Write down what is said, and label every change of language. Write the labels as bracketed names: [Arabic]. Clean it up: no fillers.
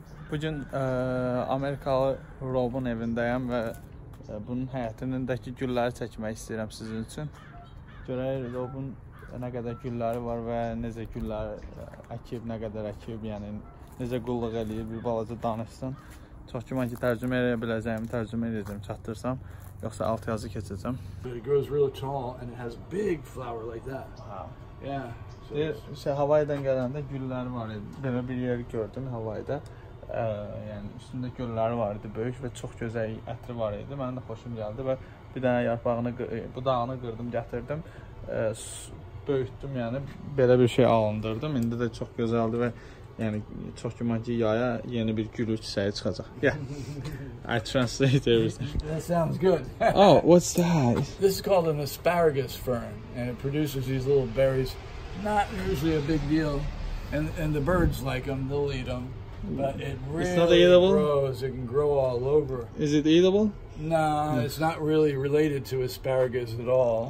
[Turkish] Bugün Amerikalı Rob'un evindeyim ve bunun hayatındaki gülleri çekmek istedim sizin için. [Azerbaijani] Görün Rob'un ne kadar gülleri var ve necə gülleri akib, ne kadar akib, yani necə qulluq edib, bir balaca danışsın. [Turkish] Çok güman ki tercüme edebileceğim, tercüme edeceğim, çatdırsam. [Azerbaijani] Yoxsa alt yazı keçeceğim. [English] But it grows really tall and it has big flower like that. Wow. Yeah. [Azerbaijani] So Hawaii'dan gələndə güllər var idi. Demə bir yer gördüm Hawaii'da. Yəni üstündə güllər var idi böyük və çox gözəl ətri var idi. Mənim də xoşum gəldi və bir dənə yarpağını budağını qırdım, gətirdim. Böyütdüm, yəni belə bir şey alındırdım. İndi də çox gözəldir və yəni çox güman ki yaya yeni bir gül çiçəyi çıxacaq. [English] Yeah. I translate everything. That sounds good. Oh, what's that? This is called an asparagus fern and it produces these little berries. Not usually a big deal, and the birds like them, they'll eat them, but it really grows, it can grow all over. Is it eatable? No, no, it's not really related to asparagus at all.